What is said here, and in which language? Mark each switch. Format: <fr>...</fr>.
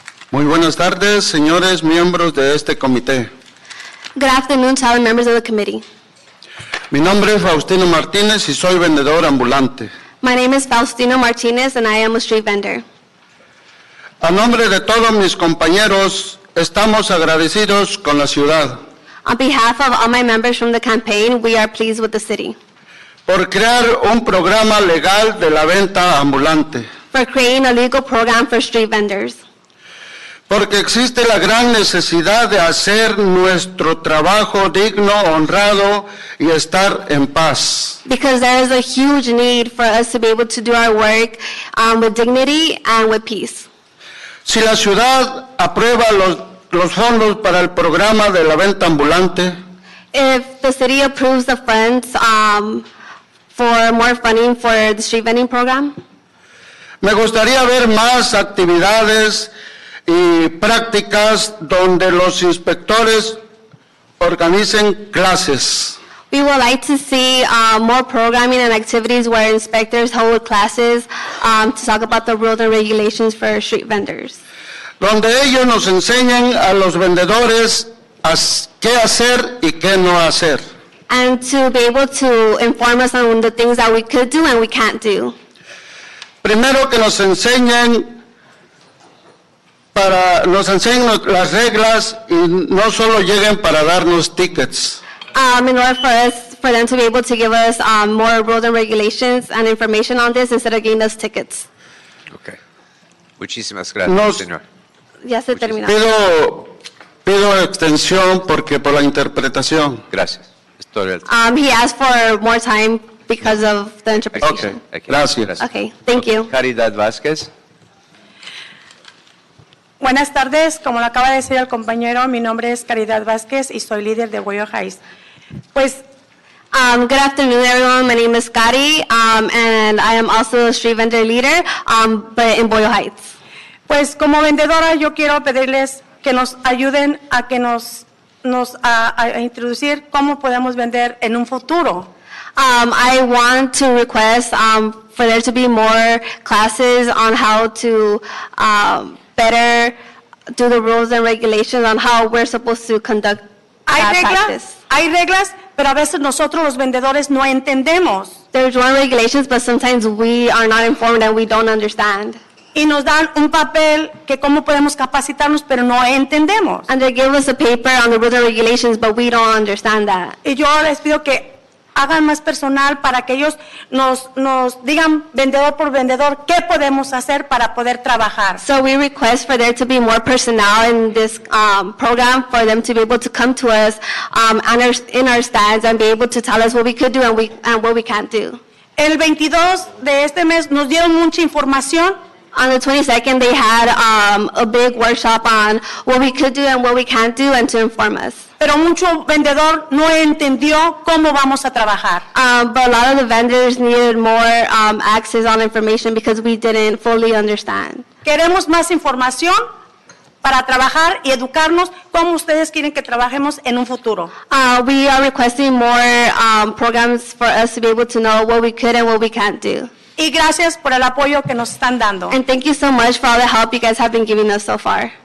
<es>Muy buenas tardes, señores miembros de este comité.</es> <en>Good afternoon to all the members of the committee.</en> <es>Mi nombre es Faustino Martinez y soy vendedor ambulante.</es> <en>My name is Faustino Martinez and I am a street vendor.</en> <es>A nombre de todos mis compañeros, estamos agradecidos con la ciudad.</es> <en>On behalf of all my members from the campaign, we are pleased with the city.</en> <es>Por crear un programa legal de la venta ambulante.</es> <en>For creating a legal program for street vendors.</en> <es>Porque existe la gran necesidad de hacer nuestro trabajo digno, honrado y estar en paz.</es> <en>Because there is a huge need for us to be able to do our work with dignity and with peace.</en> <es>Si la ciudad aprueba los fondos para el programa de la venta ambulante.</es> <en>If the city approves the funds for more funding for the street vending program.</en> <es>Me gustaría ver más actividades y prácticas donde los inspectores organicen clases.</es> <en>We would like to see more programming and activities where inspectors hold classes to talk about the rules and regulations for street vendors.</en> <es>Donde ellos nos enseñen a los vendedores qué hacer y qué no hacer.</es> <en>And to be able to inform us on the things that we could do and we can't do.</en> <es>Primero que nos enseñen para nos enseñen las reglas y no solo lleguen para darnos tickets.</es> <en>In order for them to be able to give us more rules and regulations and information on this instead of giving us tickets.</en> <es>Okay. Muchísimas gracias, señor. Ya se terminó. Pido extensión porque por la interpretación. Gracias. Estoy el tiempo.</es> <en>He asked for more time because of the interpretation.</en> <es>Okay. Gracias.</es> <en>Okay. Thank you.</en> <es>Caridad Vázquez. Buenas tardes. Como lo acaba de decir el compañero, mi nombre es Caridad Vázquez y soy líder de Arroyo Heights. Pues,</es> <en>good afternoon, everyone. My name is Cari, and I am also a street vendor leader, but in Arroyo Heights.</en> <es>Pues, como vendedora, yo quiero pedirles que nos ayuden a que nos a introducir cómo podemos vender en un futuro.</es> <en>I want to request for there to be more classes on how to better do the rules and regulations on how we're supposed to conduct practice.</en> <es>Hay reglas, pero a veces nosotros los vendedores no entendemos.</es> <en>There's rules and regulations, but sometimes we are not informed and we don't understand.</en> <es>Y nos dan un papel que cómo podemos capacitarnos, pero no entendemos.</es> <en>And they give us a paper on the rules and regulations, but we don't understand that.</en> <es>Y yo les pido que hagan más personal para que ellos nos digan vendedor por vendedor qué podemos hacer para poder trabajar.</es> <en>So we request for there to be more personnel in this program for them to be able to come to us in our stands and be able to tell us what we could do and what we can't do.</en> <es>El 22 de este mes nos dieron mucha información.</es> <en>On the 22nd, they had a big workshop on what we could do and what we can't do and to inform us.</en> <es>Pero mucho vendedor no entendió cómo vamos a trabajar.</es> <en>But a lot of the vendors needed more access on information because we didn't fully understand.</en> <es>Queremos más información. para trabajar y educarnos como ustedes quieren que trabajemos en un futuro.</es> <en>We are requesting more programs for us to be able to know what we could and what we can't do.</en> <es>Y gracias por el apoyo que nos están dando.</es> <en>And thank you so much for all the help you guys have been giving us so far.</en>